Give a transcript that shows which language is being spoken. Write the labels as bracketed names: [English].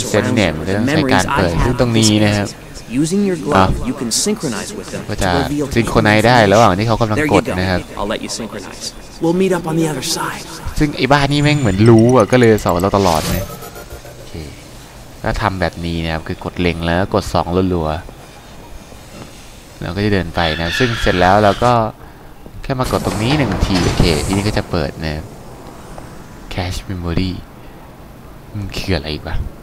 [English] around the memories I have. Using your glove, you can synchronize with them. [Thai] จะ synchronize ได้ระหว่างที่เขากำลังกดนะครับ [English] I'll let you synchronize. We'll meet up on the other side. [Thai] ซึ่งไอ้บ้านนี่แม่งเหมือนรู้อ่ะก็เลยสอนเราตลอดเลยโอเคถ้าทำแบบนี้นะครับคือกดเล็งแล้วกด2รัวๆแล้วก็จะเดินไปนะซึ่งเสร็จแล้วเราก็แค่มากดตรงนี้1ทีโอเคทีนี้ก็จะเปิดนะ Cache Memoryมันคืออะไรอีกวะ